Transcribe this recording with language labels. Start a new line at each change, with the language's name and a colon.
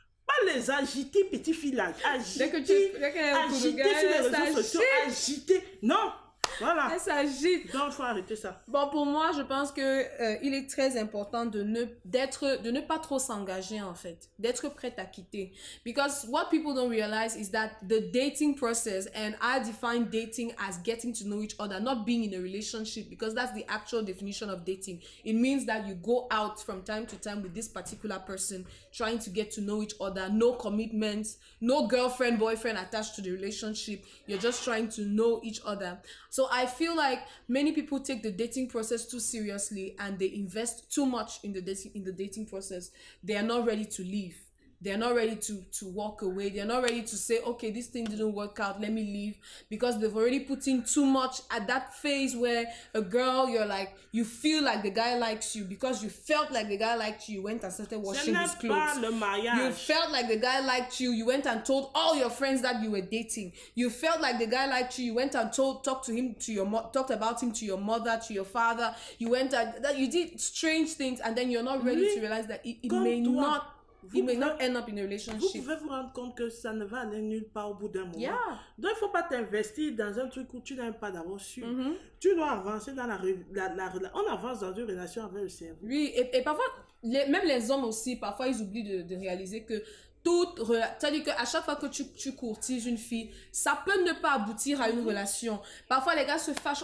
French: Pas les agiter, petit fille là. Agiter sur les réseaux sociaux. Agiter. Non! Voilà. Elle s'agite. Donc, il faut arrêter ça. Bon, pour moi, je pense qu'il est très important de ne pas trop s'engager, en fait. D'être prête à quitter.
English: Because what people don't realize is that the dating process, and I define dating as getting to know each other, not being in a relationship, because that's the actual definition of dating. It means that you go out from time to time with this particular person, trying to get to know each other, no commitments, no girlfriend, boyfriend attached to the relationship. You're just trying to know each other. So I feel like many people take the dating process too seriously and they invest too much in the dating process. They are not ready to leave. They are not ready to walk away. They are not ready to say, okay, this thing didn't work out. Let me leave. Because they've already put in too much at that phase where a girl, you're like, you feel like the guy likes you because you felt like the guy liked you. You went and started washing his clothes. You felt like the guy liked you. You went and told all your friends that you were dating. You felt like the guy liked you. You went and talked about him to your mother, to your father. You went and that you did strange things and then you're not ready to realize that it may not.
French: Vous
English: may not end up in a relationship.
French: Vous pouvez vous rendre compte que ça ne va aller nulle part au bout d'un moment.
English: Yeah.
French: Donc, il ne faut pas t'investir dans un truc où tu n'as pas d'avoir su. Mm-hmm. Tu dois avancer dans la on avance dans une relation avec le cerveau. Oui, et parfois, même les hommes aussi, parfois, ils oublient de réaliser que c'est-à-dire qu'à chaque fois que tu courtises une fille, ça peut ne pas aboutir à une relation. Parfois, les gars se fâchent.